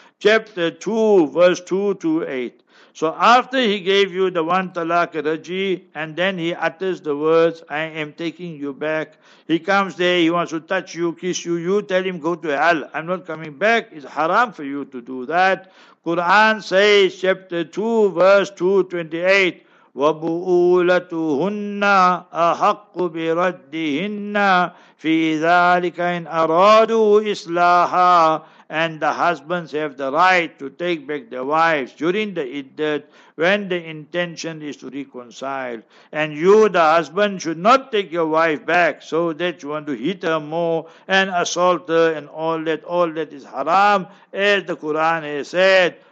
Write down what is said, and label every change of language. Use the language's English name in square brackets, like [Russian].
[English] Chapter 2, verse 2 to 8. So after he gave you the one talaq raji, and then he utters the words, I am taking you back. He comes there, he wants to touch you, kiss you. You tell him, go to hell. I'm not coming back. It's haram for you to do that. Quran says, chapter 2, verse 228, [Arabic] وَبُؤُولَتُهُنَّ أَحَقُّ بِرَدِّهِنَّ فِي ذَلِكَ إِنْ أَرَادُوا إِصْلَاحًا. [English] And the husbands have the right to take back their wives during the iddat when the intention is to reconcile. And you, the husband, should not take your wife back so that you want to hit her more and assault her and all that. All that is haram, as the Quran has said.